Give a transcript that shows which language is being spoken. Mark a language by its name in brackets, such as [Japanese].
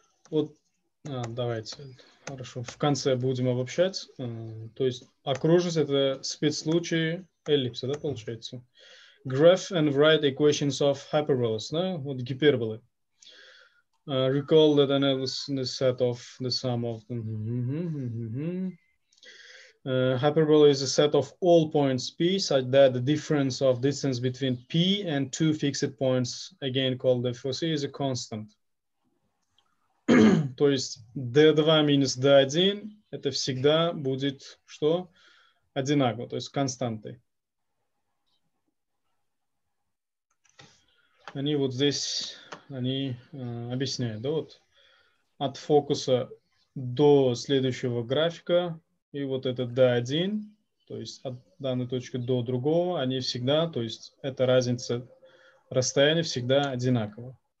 [Russian] Вот, давайте, хорошо, в конце будем обобщать. То есть окружность — это спецслучай эллипса, да, получается? [English] Graph and write equations of hyperboles, [Russian] да? Вот гиперболы. [English] Recall that analysis in the set of the sum of them. Hyperbola is a set of all points P, such that the difference of distance between P and two fixed points, again called the foci, is a constant. [Russian] То есть D2 минус D1 это всегда будет что? Одинаково, то есть константы. Они вот здесь, они объясняют, да, вот от фокуса до следующего графика, и вот это D1, то есть от данной точки до другого, они всегда, то есть эта разница расстояния всегда одинакова.